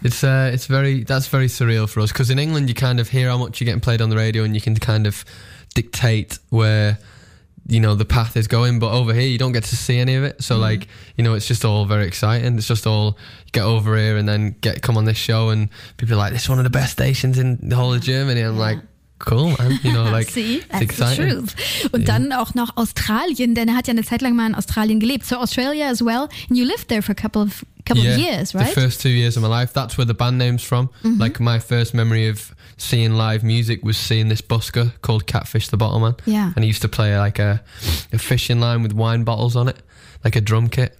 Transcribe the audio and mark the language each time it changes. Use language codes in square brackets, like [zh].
[en] That's very surreal for us because in England you kind of hear how much you're getting played on the radio and you can kind of dictate where, you know, the path is going, but over here you don't get to see any of it. So like, you know, it's just all very exciting. It's just all get over here and then get come on this show and people are like, this is one of the best stations in the whole of Germany. I'm like, cool, man. You know, like, see, that's the truth. [de] Und dann auch noch Australien, denn er hat ja eine Zeit lang mal in Australien gelebt. [en] So Australia as well. And you lived there for a couple of years, right? The first 2 years of my life. That's where the band name's from. Mm-hmm. Like my first memory of seeing live music was seeing this busker called Catfish the Bottleman. Yeah. And he used to play like a fishing line with wine bottles on it, like a drum kit.